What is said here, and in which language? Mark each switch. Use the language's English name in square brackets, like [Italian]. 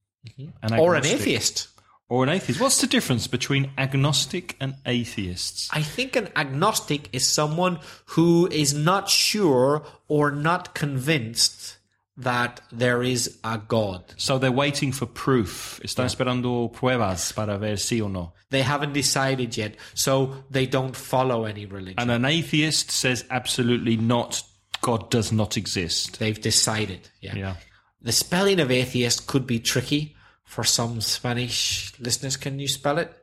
[English] Mm-hmm. An agnostic. Or an atheist. Or an atheist. What's the difference between agnostic and atheists? I think an agnostic is someone who is not sure or not convinced that there is a God. So they're waiting for proof. [Spanish] Están esperando pruebas para ver si o no. [English] They haven't decided yet, so they don't follow any religion. And an atheist says absolutely not, God does not exist. They've decided, yeah. The spelling of atheist could be tricky. For some Spanish listeners, can you spell it?